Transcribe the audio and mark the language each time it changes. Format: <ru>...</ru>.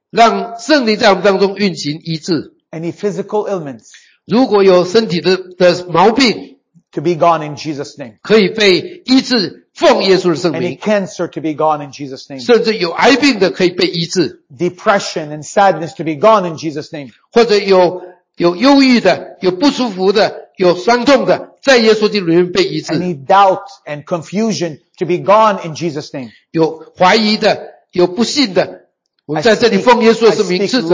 <zh>让圣灵在我们当中运行医治。</zh> <en>Any physical ailments.</en> <zh>如果有身体 的毛病。</zh> <en>To be gone in Jesus' name.</en> <zh>可以被医治奉耶稣的圣灵。</zh> <en>Any cancer to be gone in Jesus' name.</en> <zh>甚至有癌病的可以被医治。</zh> <en>Depression and sadness to be gone in Jesus' name.</en> <zh>或者有忧郁的，有不舒服的，有伤痛的，在耶稣基督里面被医治。</zh> <en>Any doubt and confusion to be gone in Jesus' name.</en> <zh>有怀疑的，有不信的，我们在这里奉耶稣的圣名斥责。</zh>